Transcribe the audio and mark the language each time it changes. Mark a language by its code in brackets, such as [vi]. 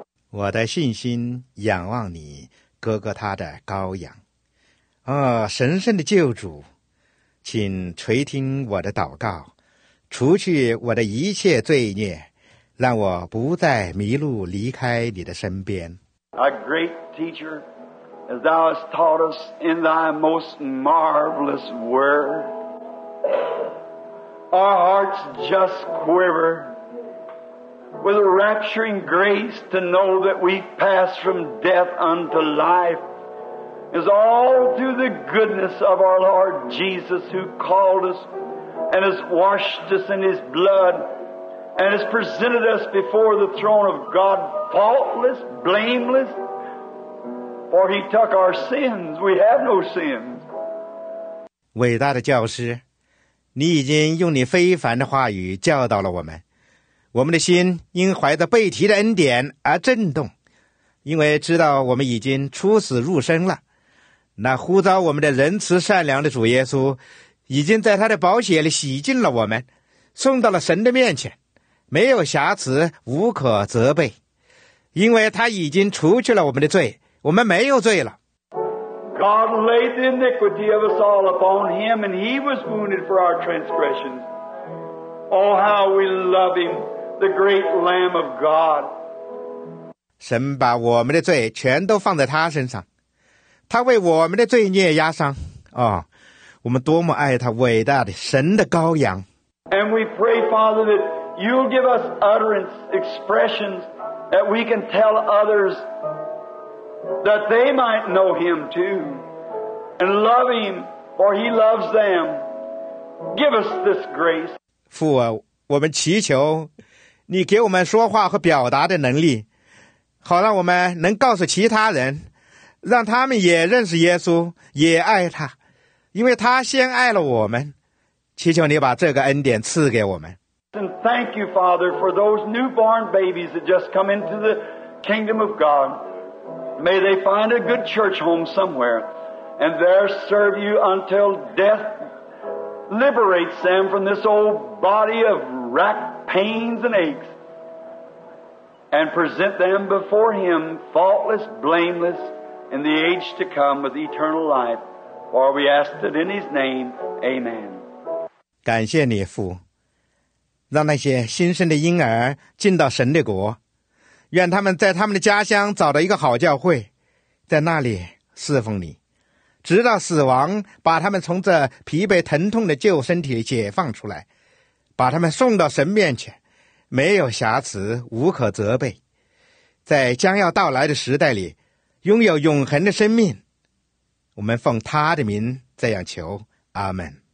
[zh] 我的信心仰望你，哥哥他的羔羊。哦，神圣的救主，请垂听我的祷告，除去我的一切罪孽，让我不再迷路离开你的身边。 [en] A great teacher, as thou hast taught us in thy most marvelous word, our hearts just quiver with a rapturing grace to know that we pass from death unto life is all through the goodness of our Lord Jesus, who called us and has washed us in His blood and has presented us before the throne of God faultless, blameless, for He took our sins. We have no sins. [zh] 伟大的教师，你已经用你非凡的话语教导了我们，我们的心因怀着被提的恩典而震动，因为知道我们已经出死入生了。那呼召我们的仁慈善良的主耶稣已经在他的宝血里洗净了我们，送到了神的面前，没有瑕疵，无可责备，因为他已经除去了我们的罪，我们没有罪了。 [en] God laid the iniquity of us all upon Him, and He was wounded for our transgressions. Oh, how we love Him, the great Lamb of God. [zh] 神把我们的罪全都放在他身上，他为我们的罪孽压伤，哦，我们多么爱他，伟大的神的羔羊。 [en] And we pray, Father, that you'll give us utterance, expressions that we can tell others that they might know Him too and love Him, for He loves them. Give us this grace. [zh] 父啊，我们祈求你给我们说话和表达的能力，好让我们能告诉其他人，让他们也认识耶稣，也爱他，因为他先爱了我们。祈求你把这个恩典赐给我们。 [en] And thank you, Father, for those newborn babies that just come into the kingdom of God. May they find a good church home somewhere, and there serve you until death liberates them from this old body of racked pains and aches, and present them before Him faultless, blameless. In the age to come with eternal life, for we ask it in His name, Amen. [zh] 感谢你父，让那些新生的婴儿进到神的国，愿他们在他们的家乡找到一个好教会，在那里侍奉你，直到死亡把他们从这疲惫疼痛的旧身体解放出来，把他们送到神面前，没有瑕疵，无可责备，在将要到来的时代里拥有永恒的生命，我们奉他的名这样求，阿门。